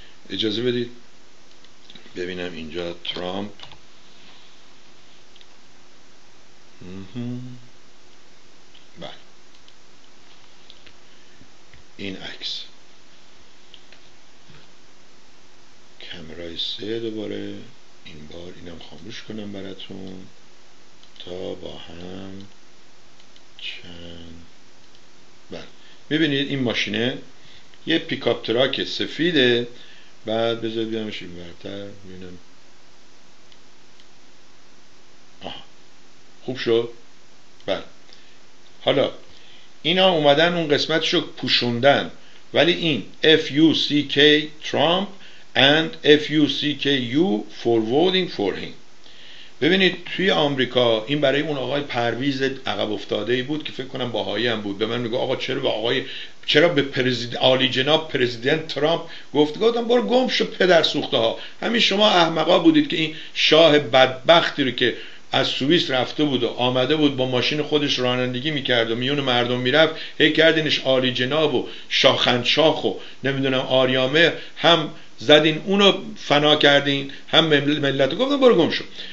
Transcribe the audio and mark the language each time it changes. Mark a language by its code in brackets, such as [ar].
[fa] اجازه بدید ببینم اینجا ترامپ بله این عکس کامرای 3 دوباره این بار اینم خاموش کنم براتون تا با هم چند بله میبینید این ماشینه یه پیکاپ تراک سفیده، بعد بذار بیامش این برتر میبینم آه. خوب شد بله. حالا اینا اومدن اون قسمتشو پوشوندن، ولی این [en] FUCK Trump and FUCK you for voting for him. [fa] ببینید توی آمریکا این برای اون آقای پرویز عقب افتاده ای بود که فکر کنم باهایی هم بود، به من میگه آقا چرا به آقای چرا به عالی جناب پرزیدنت ترامپ گفت، گفتم برو گم شو پدر سوخته ها، همین شما احمقا بودید که این شاه بدبختی رو که از سوئیس رفته بود و آمده بود با ماشین خودش رانندگی میکرد و میون مردم میرفت، هی کردینش عالی جناب و شاخنشاخ و نمیدونم آریامه، هم زدین اونو فنا کردین هم ملت، گفتم برو گم شو.